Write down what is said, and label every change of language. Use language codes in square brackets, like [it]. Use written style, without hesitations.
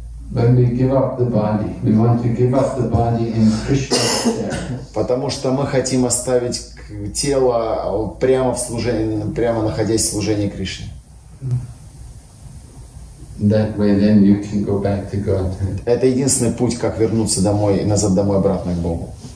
[en] When we give up the body, we want to give up the body in Krishna service. [ru] Потому что мы хотим оставить тело прямо в служении, прямо находясь в служении Кришне. [en] That way, then you can go back to Godhead. [ru] Это единственный путь, как вернуться домой и назад домой обратно к Богу.